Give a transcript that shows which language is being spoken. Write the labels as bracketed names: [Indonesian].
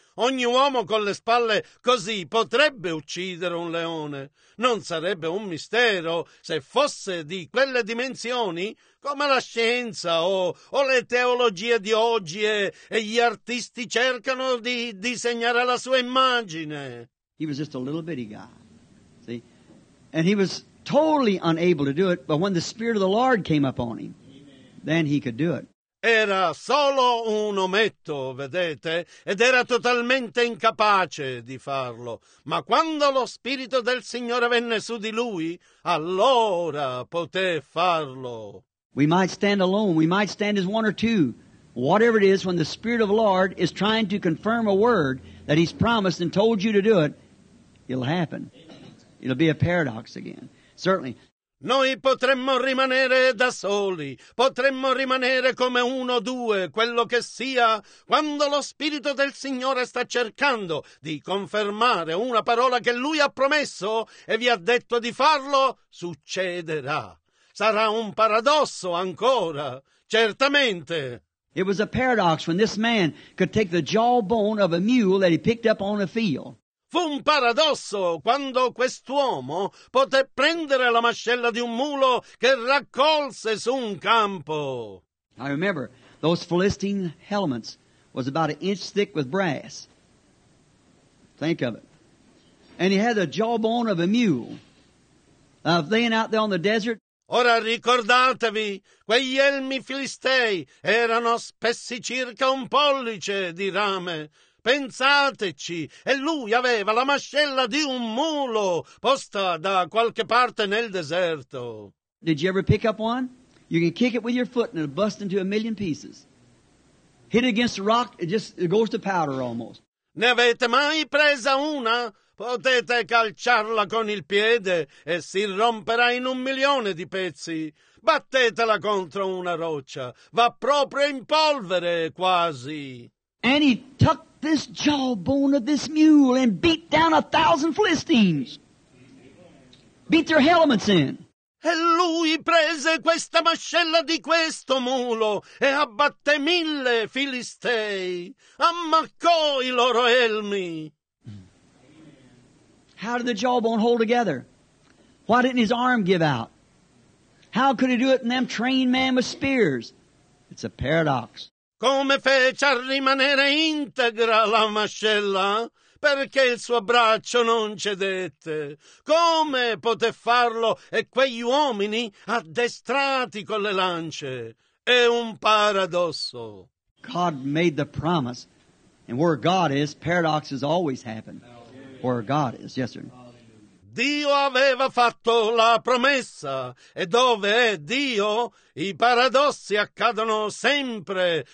[Italian] Ogni uomo con le spalle così potrebbe uccidere un leone. Non sarebbe un mistero se fosse di quelle dimensioni, come la scienza o le teologie di oggi e gli artisti cercano di disegnare la sua immagine. [English] He was just a little bitty guy, see? And he was totally unable to do it, but when the Spirit of the Lord came upon him, then he could do it. [Italian] Era solo un ometto, vedete, ed era totalmente incapace di farlo. Ma quando lo Spirito del Signore venne su di lui, allora poté farlo. [English] We might stand alone, we might stand as one or two. Whatever it is, when the Spirit of the Lord is trying to confirm a word that He's promised and told you to do it, it'll happen. It'll be a paradox again. Certainly. [Italian] Noi potremmo rimanere da soli, potremmo rimanere come uno o due, quello che sia, quando lo Spirito del Signore sta cercando di confermare una parola che Lui ha promesso e vi ha detto di farlo, succederà. Sarà un paradosso ancora, certamente. [English] It was a paradox when this man could take the jawbone of a mule that he picked up on a field. [Italian] Fu un paradosso quando quest'uomo poté prendere la mascella di un mulo che raccolse su un campo. [English] I remember those Philistine helmets was about an inch thick with brass. Think of it. And he had the jawbone of a mule. Laying out there on the desert. [Italian] Ora ricordatevi, quegli elmi filistei erano spessi circa un pollice di rame. Pensateci, e lui aveva la mascella di un mulo posta da qualche parte nel deserto. [English] Did you ever pick up one? You can kick it with your foot and it'll bust into a million pieces. Hit it against a rock, it goes to powder almost. [Italian] Ne avete mai presa una? Potete calciarla con il piede e si romperà in un milione di pezzi. Battetela contro una roccia, va proprio in polvere quasi. [English] And he tucked this jawbone of this mule and beat down 1,000 Philistines. Beat their helmets in. [Italian] E lui prese questa mascella di questo mulo e abbatté 1,000 Filistei. Ammaccò i loro elmi. [English] How did the jawbone hold together? Why didn't his arm give out? How could he do it in them trained men with spears? It's a paradox. [Italian] Come fece a rimanere integra la mascella? Perché il suo braccio non cedette? Come poté farlo e quegli uomini addestrati con le lance? È un paradosso. [English] God made the promise, and where God is, paradoxes always happen. Where God is, yes, sir. [Italian] Dio aveva fatto la promessa, e dove è Dio, i paradossi accadono sempre.